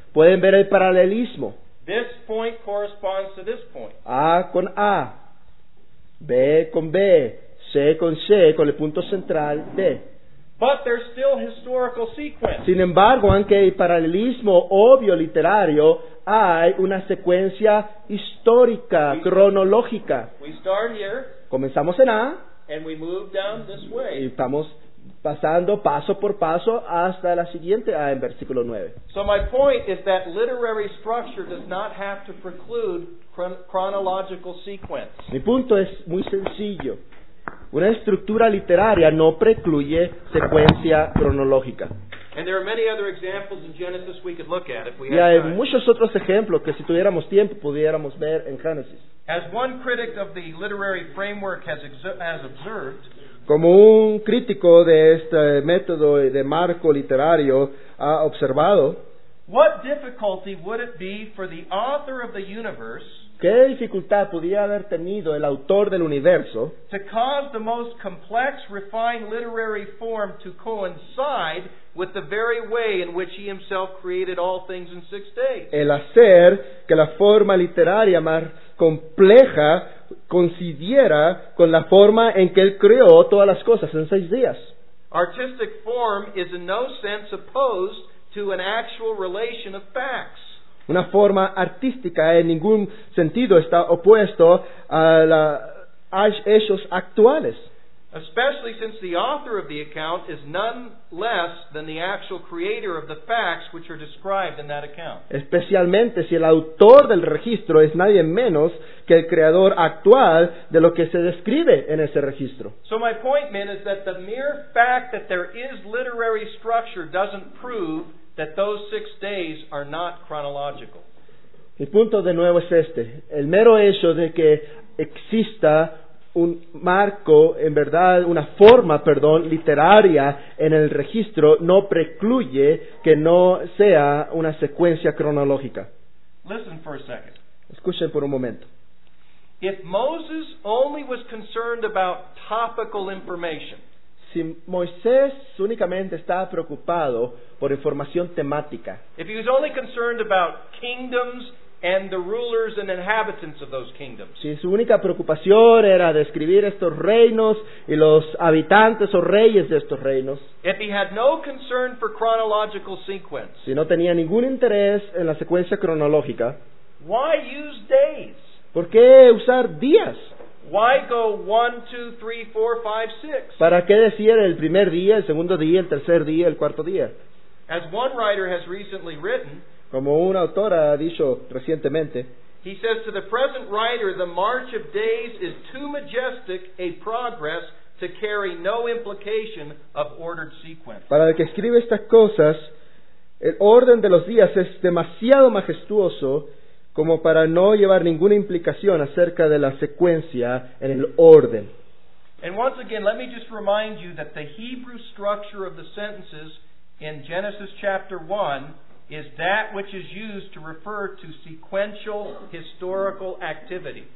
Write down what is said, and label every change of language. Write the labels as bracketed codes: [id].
[es] Pueden ver el paralelismo. [en] This point corresponds to this point. [es] A con A, B con B, C, con el punto central, D. [en] But there's still historical sequence. [es] Sin embargo, aunque hay paralelismo obvio literario, hay una secuencia histórica, cronológica. [en] We start here. [es] Comenzamos en A. [en] And we move down this way. [es] Y estamos pasando paso por paso hasta la siguiente A en versículo 9. [en] So my point is that literary structure does not have to preclude chronological sequence. [es] Mi punto es muy sencillo. Una estructura literaria no precluye secuencia cronológica. [en] And there are many other examples in Genesis we could look at if we had. [es] Y hay muchos otros ejemplos que si tuviéramos tiempo pudiéramos ver en Génesis. [en] As one critic of the literary framework has observed, [es] como un crítico de este método de marco literario ha observado, [en] what difficulty would it be for the author of the universe, [es] ¿qué dificultad podría haber tenido el autor del universo, [en] to cause the most complex, refined literary form to coincide with the very way in which he himself created all things in 6 days? [es] El hacer que la forma literaria más compleja coincidiera con la forma en que él creó todas las cosas en 6 días. [en] Artistic form is in no sense opposed to an actual relation of facts. [es] Una forma artística en ningún sentido está opuesto a los hechos actuales. [en] Especially since the author of the account is none less than the actual creator of the facts which are described in that account. [es] Especialmente si el autor del registro es nadie menos que el creador actual de lo que se describe en ese registro. [en] So my point, men, is that the mere fact that there is literary structure doesn't prove that those 6 days are not chronological. [es] Mi punto de nuevo es este. El mero hecho de que exista un marco, en verdad, una forma, perdón, literaria en el registro no precluye que no sea una secuencia cronológica. [en] Listen for a second. [es] Escuchen por un momento. [en] If Moses only was concerned about topical information, [es] si Moisés únicamente estaba preocupado por información temática, [en] if he was only concerned about kingdoms and the rulers and inhabitants of those kingdoms, [es] si su única preocupación era describir estos reinos y los habitantes o reyes de estos reinos, [en] if he had no concern for chronological sequence, [es] si no tenía ningún interés en la secuencia cronológica, [en] why use days? [es] ¿Por qué usar días? [en] Why go 1, 2, 3, 4, 5, 6? [es] ¿Para qué decir el primer día, el segundo día, el tercer día, el cuarto día? [en] As one writer has recently written, [es] como un autor ha dicho recientemente, [en] he says to the present writer, the march of days is too majestic a progress to carry no implication of ordered sequence. [es] Para el que escribe estas cosas, el orden de los días es demasiado majestuoso como para no llevar ninguna implicación acerca de la secuencia en el orden. [en] And once again, let me just remind you that the Hebrew structure of the sentences in Genesis chapter 1 is that which is used to refer to sequential historical activity.